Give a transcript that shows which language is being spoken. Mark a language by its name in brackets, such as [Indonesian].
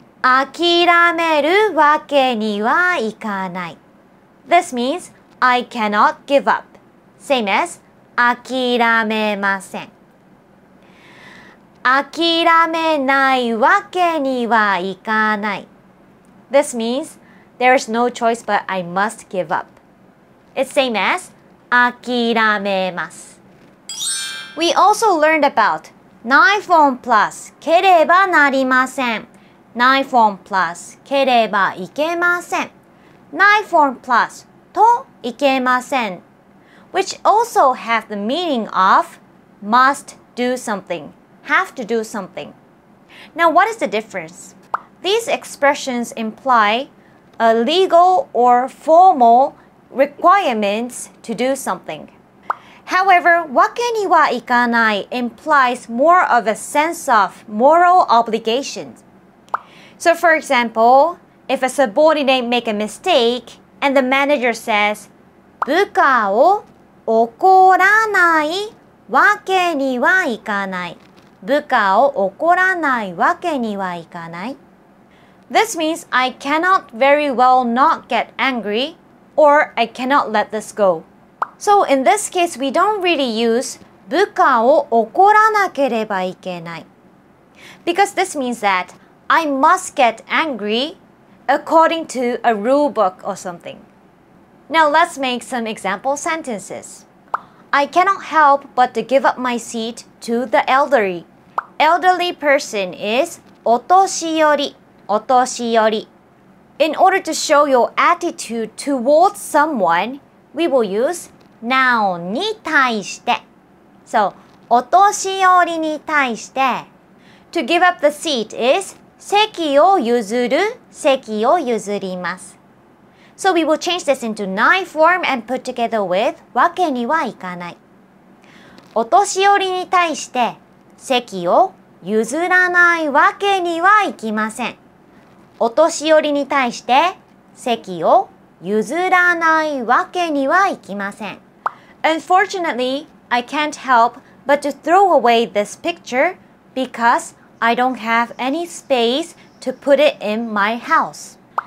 [Japanese] 諦めるわけにはいかない。 [English] This means I cannot give up. Same as [Japanese] 諦めません。諦めないわけにはいかない。 [English] This means There is no choice, but I must give up. It's same as [Japanese] 諦めます。 [English] We also learned about に form plus [Japanese] ければなりません。 [English] に form plus [Japanese] ければいけません。 [English] に form plus [Japanese] といけません。 [English] Which also have the meaning of must do something, have to do something. Now, what is the difference? These expressions imply... A legal or formal requirements to do something. However, わけにはいかない implies more of a sense of moral obligation. So for example, if a subordinate make a mistake and the manager says, [Japanese] 部下を怒らないわけにはいかない。部下を怒らないわけにはいかない。 [English] This means I cannot very well not get angry or I cannot let this go. So in this case, we don't really use [Japanese] 部下を怒らなければいけない [English] Because this means that I must get angry according to a rule book or something. Now let's make some example sentences. I cannot help but to give up my seat to the elderly. Elderly person is [Japanese] お年寄り。お年寄り。 [English] In order to show your attitude towards someone, we will use noun に対して。 [Japanese] So, お年寄りに対して。 [English] To give up the seat is [Japanese] 席を譲る、席を譲ります。 [English] So we will change this into noun form and put together with わけにはいかない。 [Japanese] お年寄りに対して席を譲らないわけにはいきません。お年寄りに対して席を譲らないわけにはいきません。 [English] Unfortunately, I can't help but to throw away this picture because I don't have any space to put it in my house.